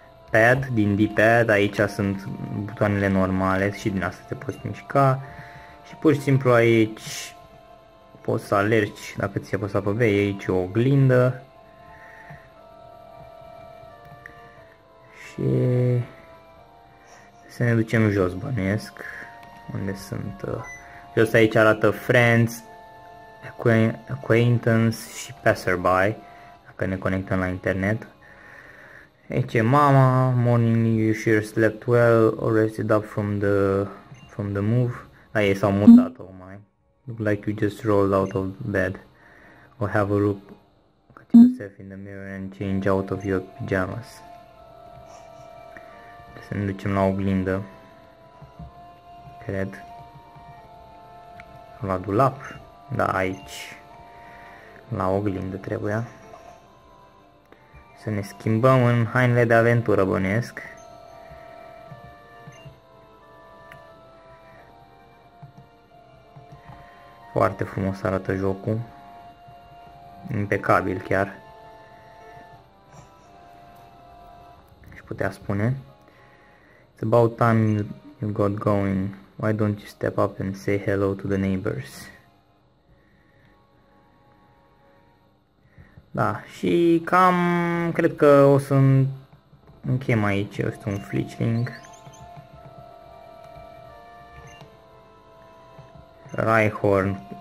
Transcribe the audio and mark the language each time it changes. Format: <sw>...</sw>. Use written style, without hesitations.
<ro>pad, din D-pad, aici sunt butoanele normale și din asta te poți mișca și pur și simplu aici poți să alergi dacă ți-a apăsat pe B, aici o oglindă și să ne ducem jos, bănuiesc unde sunt jos aici arată friends, acquaintance și passerby dacă ne conectăm la internet. Aici e mama,</ro> <en>morning, you sure slept well, or rested up from the move.</en> <ro>Da, ei s-au mutat,</ro> <en>oh my. Look like you just rolled out of bed. Or have a look at yourself in the mirror and change out of your pajamas.</en> <ro>Să ne ducem la oglindă. Cred. La dulap. Da, aici. La oglindă trebuia. Să ne schimbăm în hainele de aventură, bănesc. Foarte frumos arată jocul. Impecabil chiar. Aș putea spune.</ro> <en>It's about time you got going. Why don't you step up and say hello to the neighbors?</en> <ro>Da, și cam cred că o să închem aici, este un Fleechling. Rhyhorn.</ro>